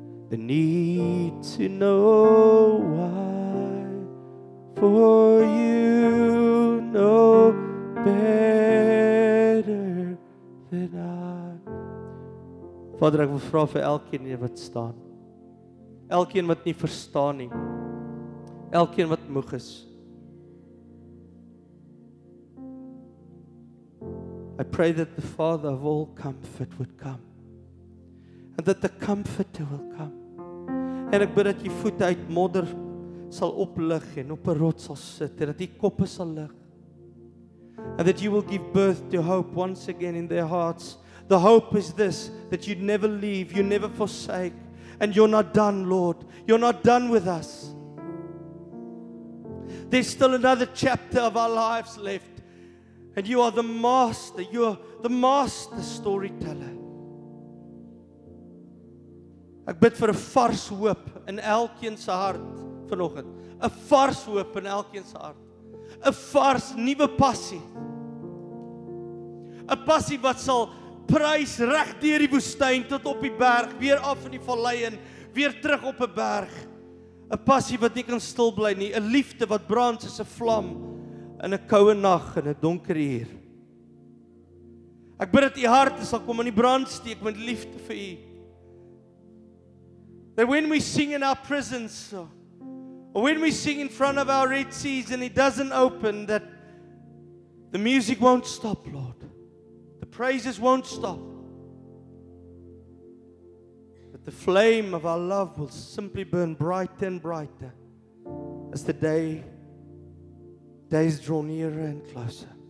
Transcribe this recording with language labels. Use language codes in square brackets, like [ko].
[en] The need to know why, for you know better than I. [af] Vader, ek wil vra vir elkeen wat staan. Elkeen wat nie verstaan nie. Elkeen wat moeg is. [en] I pray that the Father of all comfort would come. And that the Comforter will come. [af] En ek bid dat jy voete uit modder sal oplig en op 'n rots sal sit en dat jy koppe sal lig. [en] And that you will give birth to hope once again in their hearts. The hope is this, that you'd never leave, you never forsake, and you're not done, Lord. You're not done with us. There's still another chapter of our lives left. And you are the master, you're the master storyteller. [af] Ek bid vir 'n vars hoop in elkeen se hart vanoggend. 'N Vars hoop in elkeen se hart. 'N Vars nuwe passie. 'N Passie wat sal prys reg deur die woestyn tot op die berg, weer af in die vallei en weer terug op 'n berg. 'N Passie wat nie kan stil bly nie, 'n liefde wat brand soos 'n vlam in 'n koue nag en 'n donker uur. Ek bid dat u hart sal kom in die brand steek met liefde vir u. [en] That when we sing in our prisons, or when we sing in front of our Red Seas and it doesn't open, that the music won't stop, Lord. The praises won't stop. But the flame of our love will simply burn brighter and brighter as the days draw nearer and closer.